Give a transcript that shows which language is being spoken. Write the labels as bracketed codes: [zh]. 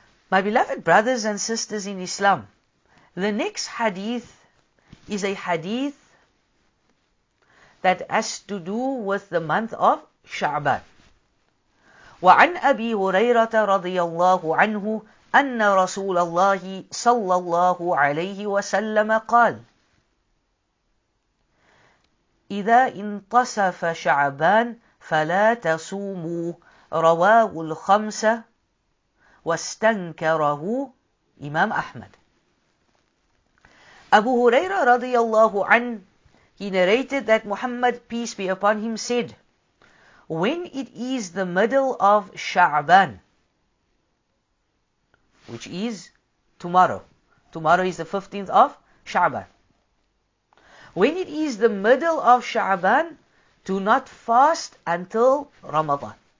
[en] My beloved brothers and sisters in Islam, the next hadith is a hadith that has to do with the month of Sha'ban. [ar] وعن أبي هريرة رضي الله عنه أن رسول الله صلى الله عليه وسلم قال إذا انتصف شعبان فلا تصوموا رواه الخمسة واستنكره إمام أحمد. [en] أبو هريرة [ar] رضي الله عنه, [en] he narrated that Muhammad, peace be upon him, said, when it is the middle of Sha'ban, which is tomorrow. Tomorrow is the 15th of Sha'ban. When it is the middle of Sha'ban, do not fast until Ramadan.